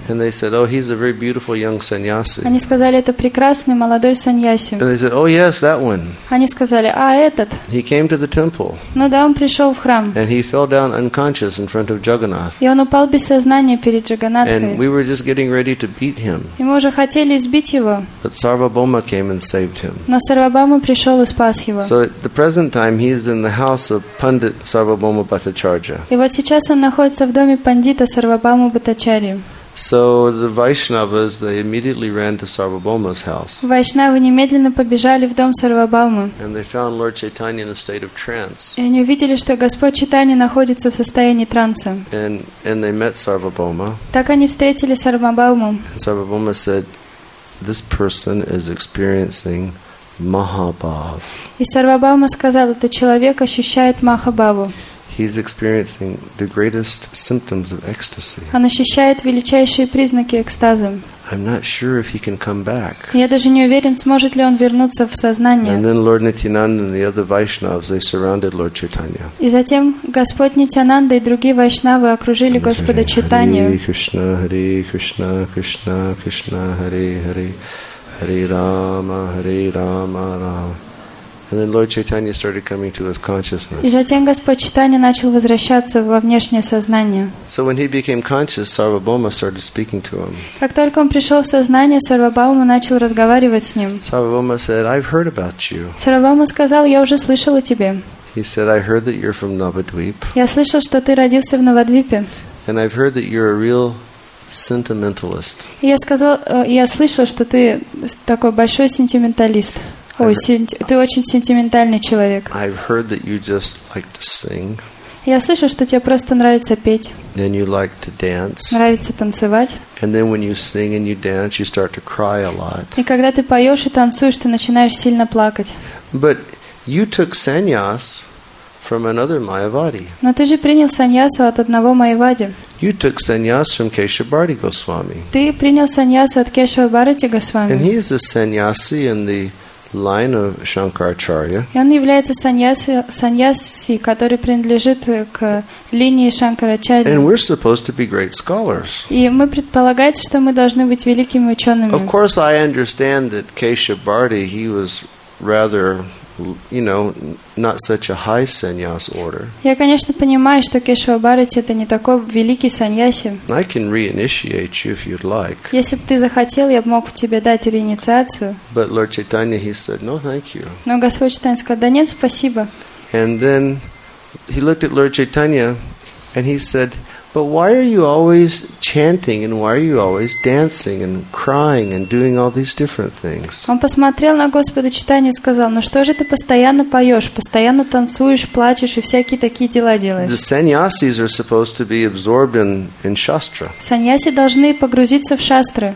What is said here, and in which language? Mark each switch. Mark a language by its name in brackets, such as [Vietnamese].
[English] And they said, "Oh, he's a very beautiful young sannyasi." [Russian] Они сказали, это прекрасный молодой саньяси. [English] And they said, "Oh, yes, that one." [Russian] Они сказали, а этот? [English] He came to the temple. [Russian] Ну да, он пришел в храм. [English] And he fell down unconscious in front of Jagannath. [Russian] И он упал без сознание перед Джаганатхой. [English] And we were just getting ready to beat him. [Russian] И мы уже хотели избить его. [English] But Sarvabhauma came and saved him. [Russian] Но Сарвабхаума пришел и спас его. [English] So at the present time he is in the house of Pandit Sarvabhauma Bhattacharya. [Russian] И вот сейчас он находится в доме пандита Сарвабхаумы Бхаттачарьи. [English] So the Vaishnavas, they immediately ran to Sarvabhauma's house. [Russian] Вайшнавы немедленно побежали в дом Сарвабхаумы. [English] And they found Lord Chaitanya in a state of trance. [Russian] И они увидели, что Господь Чайтанья находится в состоянии транса. [English] And they met Sarvabhauma. [Russian] Так они встретили Сарвабхауму. [English] And Sarvabhauma said, "This person is experiencing Mahabhav." [Russian] И Сарвабхаума сказал, этот человек ощущает Махабхаву. [English] He's experiencing the greatest symptoms of ecstasy. [Russian] Он ощущает величайшие признаки экстаза. [English] I'm not sure if he can come back. [Russian] Я даже не уверен, сможет ли он вернуться в сознание. [English] And then Lord Nityananda and the other Vaishnavas, they surrounded Lord Chaitanya. [Russian] И затем Господь Нитянанда и другие Вайшнавы окружили Господа Чайтанью. [Sanskrit] Hare Krishna, Hare Krishna, Krishna Krishna, Hare Hare, Hare Rama, Hare Rama, Rama. [English] And then Lord Chaitanya started coming to his consciousness. [Russian] И затем Господь Чайтанья начал возвращаться во внешнее сознание. [English] So when he became conscious, Sarvabhauma started speaking to him. [Russian] Как только он пришел в сознание, Сарвабхаума начал разговаривать с ним. [English] Sarvabhauma said, "I've heard about you." [Russian] Сарвабхаума сказал, я уже слышал о тебе. [English] He said, "I heard that you're from Navadvip." [Russian] Я слышал, что ты родился в Навадвипе. [English] And I've heard that you're a real sentimentalist. [Russian] Я слышал, что ты такой большой сентименталист. Ой, ты очень сентиментальный человек. [English] I've heard that you just like to sing. [Russian] Я слышал, что тебе просто нравится петь. [English] And you like to dance. [Russian] Нравится танцевать. [English] And then when you sing and you dance, you start to cry a lot. [Russian] И когда ты поешь и танцуешь, ты начинаешь сильно плакать. [English] But you took sannyas from another Mayavadi. [Russian] Но ты же принял саньясу от одного Майявади. [English] You took sannyas from Kesha Bharati Goswami. [Russian] Ты принял саньясу от Кешава Бхарати Госвами. [English] And he is a sannyasi in the line of Shankaracharya. [Russian] И он является саньяси, который принадлежит к линии Шанкарачарьи. [English] And we're supposed to be great scholars. [Russian] И мы предполагается, что мы должны быть великими учеными. [English] Of course, I understand that Kesha Bharati, he was rather, you know, not such a high sannyas order. [Russian] Я, конечно, понимаю, что Кешава Бхарати это не такой великий саньяси. [English] I can reinitiate you if you'd like. [Russian] Если бы ты захотел, я бы мог тебе дать реинициацию. [English] But Lord Chaitanya, he said, "No, thank you." [Russian] Но Господь Чайтанья сказал, да нет, спасибо. [English] And then he looked at Lord Chaitanya and he said, "But why are you always chanting and why are you always dancing and crying and doing all these different things?" [Russian] Он посмотрел на Господа Чайтанью и сказал: "Ну что же ты постоянно поёшь, постоянно танцуешь, плачешь и всякие такие дела делаешь?" [English] The sannyasis are supposed to be absorbed in shastra. [Russian] Саньяси должны погрузиться в шастры.